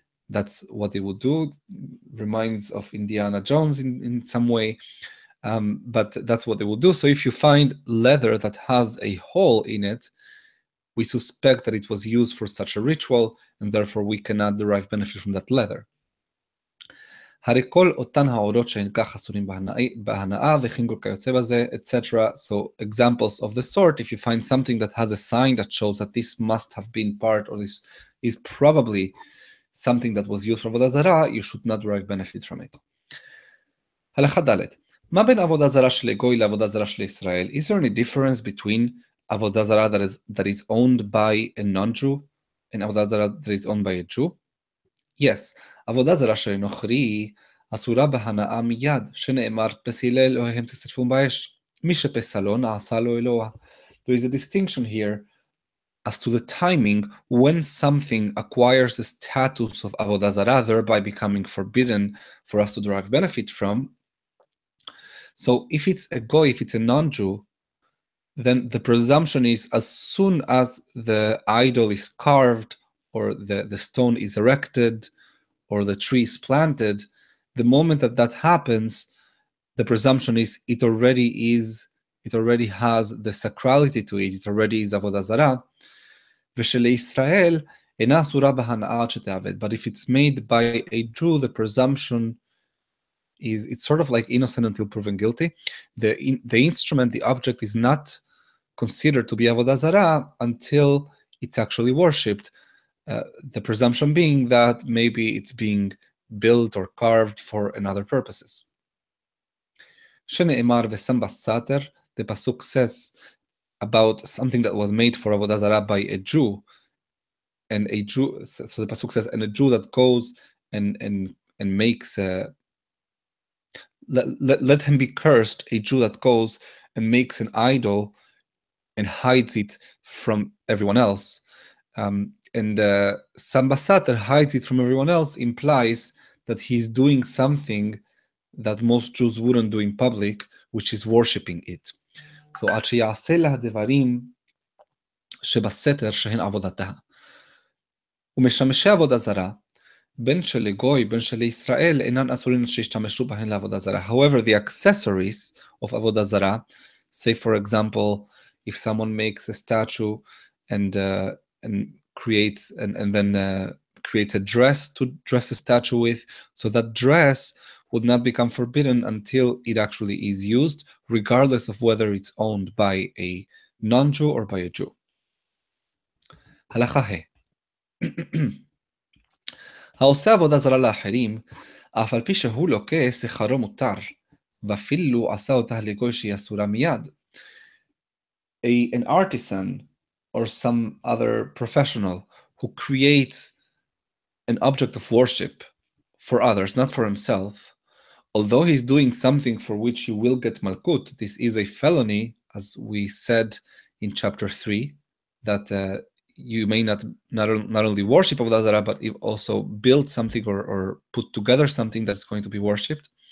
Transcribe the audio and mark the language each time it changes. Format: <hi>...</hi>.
<en>That's what they would do. Reminds of Indiana Jones in some way, but that's what they would do. So if you find leather that has a hole in it, we suspect that it was used for such a ritual, and therefore we cannot derive benefit from that leather.</en> <he>הרי כל אותן העורות שהן כך אסורים בהנאה וחינגור כיוצא בזה, etc.</he> <en>So examples of the sort, if you find something that has a sign that shows that this must have been part or this is probably something that was used for Avodah Zarah, you should not derive benefits from it.</en> <he>הלכה ד' מה בין עבודה זרה של גוי לעבודה זרה של ישראל?</he> <en>Is there any difference between עבודה זרה that is owned by a non-Jew and עבודה זרה that is owned by a Jew? Yes.</en> <he>עבודה זרה של נוכרי אסורה בהנאה מיד, שנאמר פסילי אלוהיהם תשרפו באש. מי שפסלו נעשה לו אלוה.</he> <en>There is a distinction here as to the timing when something acquires the status of Avodah Zarah, thereby becoming forbidden for us to derive benefit from. So if it's a goy, if it's a non-Jew, then the presumption is as soon as the idol is carved or the stone is erected, or the tree is planted, the moment that that happens, the presumption is it already has the sacrality to it, it already is Avodah Zarah.</en> <he>ושלישראל אינה אסורה בהנאה עד שתעבד.</he> <en>But if it's made by a Jew, the presumption is, it's sort of like innocent until proven guilty. The instrument, the object is not considered to be Avodah Zarah until it's actually worshipped. The presumption being that maybe it's being built or carved for another purposes.</en> <he>Shene'emar v'sam basater,</he> <en>the pasuk says about something that was made for Avodah Zarah by a Jew, and a Jew, so the pasuk says, and a Jew that goes and makes a, let him be cursed, a Jew that goes and makes an idol and hides it from everyone else. And Sambasater hides it from everyone else implies that he's doing something that most Jews wouldn't do in public, which is worshipping it.</en> <he>So עד שיעשה לה דברים שבסתר שהן עבודתה. ומשמשי עבודה זרה, בין שלגוי, בין שלישראל, אינן אסורים שישתמשו בהן לעבודה זרה.</he> <en>However, the accessories of עבודה זרה, say for example, if someone makes a statue and creates a dress to dress a statue with, so that dress would not become forbidden until it actually is used, regardless of whether it's owned by a non-Jew or by a Jew.</en> <he>הלכה ה. העושה עבודה זרה לאחרים, אף על פי שהוא לוקה שכרו מותר, ואפילו עשה אותה לגוי שהיא אסורה מיד.</he> <en>An artisan or some other professional who creates an object of worship for others, not for himself, although he's doing something for which he will get malkut, this is a felony, as we said in chapter 3, that you may not only worship Avodah Zarah, but you also build something or put together something that's going to be worshipped.</en>